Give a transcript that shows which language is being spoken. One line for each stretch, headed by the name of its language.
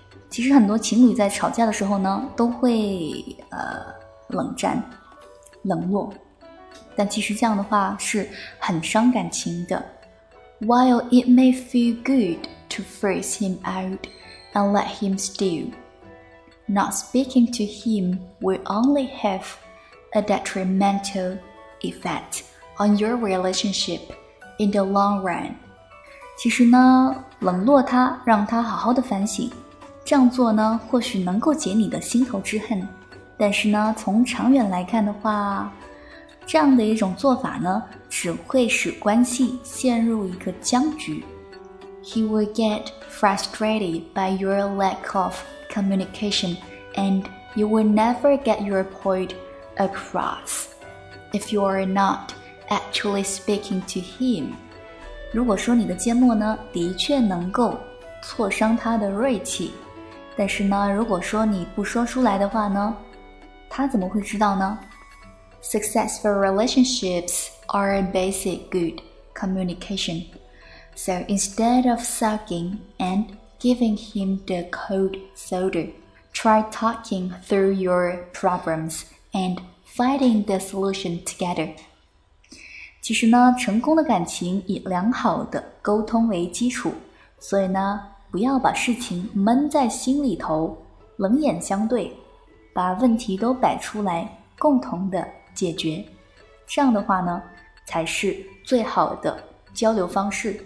Chinese: 其实很多情侣在吵架的时候呢，都会冷战、冷落。但其实这样的话是很伤感情的。
English: While it may feel good to freeze him out and let him stew, not speaking to him will only have a detrimental effect on your relationship in the long run.
Chinese: 其实呢，冷落他，让他好好的反省，这样做呢，或许能够解你的心头之恨，但是呢，从长远来看的话，这样的一种做法呢，只会使关系陷入一个僵局。
English: He will get frustrated by your lack of communication, and you will never get your point across if you are not actually speaking to him.
Chinese: 如果说你的缄默呢，的确能够挫伤他的锐气，但是呢，如果说你不说出来的话呢，他怎么会知道呢？
English: Successful relationships are a basic good communication. So instead of sulking and giving him the cold shoulder, try talking through your problems and finding the solution together.
Chinese: 其实呢，成功的感情以良好的沟通为基础，所以呢，不要把事情闷在心里头，冷眼相对，把问题都摆出来，共同的解决，这样的话呢，才是最好的交流方式。